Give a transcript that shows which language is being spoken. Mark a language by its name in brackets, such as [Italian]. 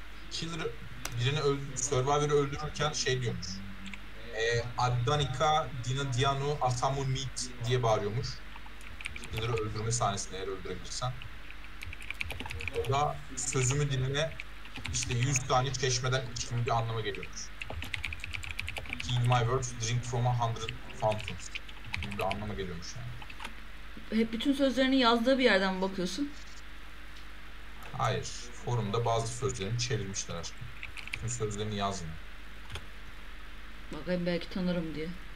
[Turkish] Killer birini Survivor'ı öldürürken şey diyormuş. Adanika Dina Diano Atamu Meet diye bağırıyormuş. Killer'ı öldürme sahnesinde eğer öldürebilirsen. O da sözümü dinle, işte 100 tane çeşmeden içtim bir anlama geliyormuş. [English] Heal my words, drink from a hundred fountains. [Turkish] Bir anlama geliyormuş yani. Hep bütün sözlerini yazdığı bir yerden mi bakıyorsun? Hayır. Forumda bazı sözlerini çevirmişler aşkım. Sözlerini yazma. Bakayım belki tanırım diye.